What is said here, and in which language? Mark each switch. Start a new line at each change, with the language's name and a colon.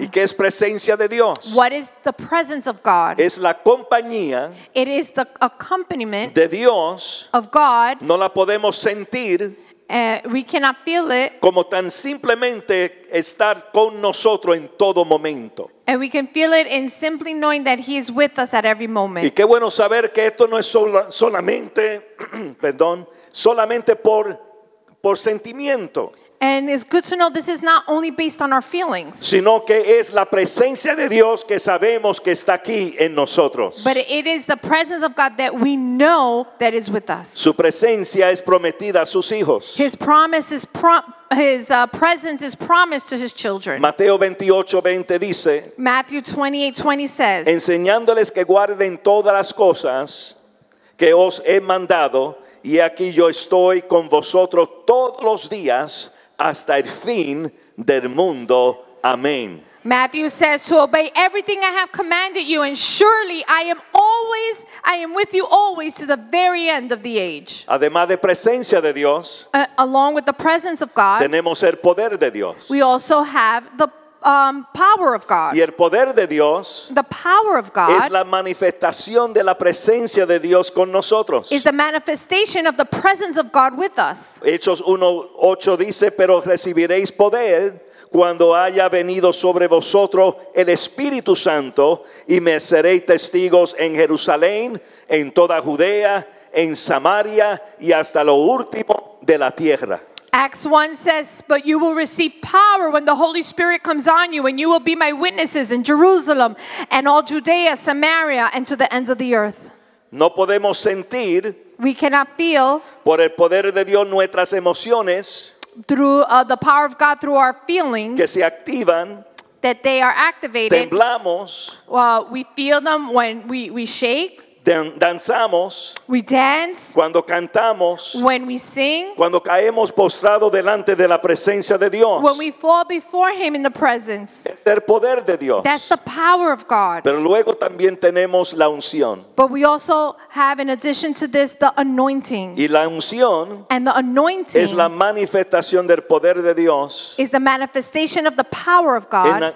Spanish: ¿Y qué es presencia de Dios?
English: What is the presence of God?
Spanish: Es la compañía.
English: It is the accompaniment
Spanish: de Dios.
English: Of God.
Spanish: No la podemos sentir.
English: We cannot feel it.
Spanish: Como tan simplemente estar con nosotros en todo momento.
English: And we can feel it in simply knowing that He is with us at every moment.
Spanish: Y qué bueno saber que esto no es solamente, perdón, solamente por sentimiento.
English: And it's good to know this is not only based on our feelings.
Spanish: Sino que es la presencia de Dios que sabemos que está aquí en nosotros.
English: But it is the presence of God that we know that is with us.
Spanish: Su presencia es prometida a sus hijos.
English: His promise is presence is promised to his children.
Spanish: Mateo 28:20 dice.
English: Matthew 28:20 says.
Spanish: Enseñándoles que guarden todas las cosas que os he mandado. Y aquí yo estoy con vosotros todos los días hasta el fin del mundo. Amén.
English: Matthew says to obey everything I have commanded you, and surely I am with you always to the very end of the age.
Spanish: Además de presencia de Dios,
English: along with the presence of God,
Spanish: tenemos el poder de Dios.
English: We also have the power of God.
Spanish: Y el poder de Dios,
English: the power of God,
Spanish: es la manifestación de la presencia de Dios con nosotros.
English: Is the manifestation of the presence of God with us.
Spanish: Hechos 1:8 dice, pero recibiréis poder cuando haya venido sobre vosotros el Espíritu Santo, y me seréis testigos en Jerusalén, en toda Judea, en Samaria, y hasta lo último de la tierra.
English: Acts 1 says, but you will receive power when the Holy Spirit comes on you, and you will be my witnesses in Jerusalem and all Judea, Samaria, and to the ends of the earth.
Spanish: No podemos sentir,
English: we cannot feel,
Spanish: por el poder de Dios nuestras emociones,
English: through the power of God, through our feelings,
Spanish: que se activan,
English: that they are activated.
Spanish: Temblamos,
English: we feel them when we shake.
Spanish: Danzamos,
English: we dance,
Spanish: cuando cantamos,
English: when we sing,
Spanish: cuando caemos postrado delante de la presencia de Dios,
English: when we fall before Him in the presence,
Spanish: es el poder de Dios.
English: That's the power of God.
Spanish: Pero luego también tenemos la unción.
English: But we also have, in addition to this, the anointing.
Spanish: Y la unción,
English: and the anointing,
Spanish: es la manifestación del poder de Dios,
English: is the manifestation of the power of God,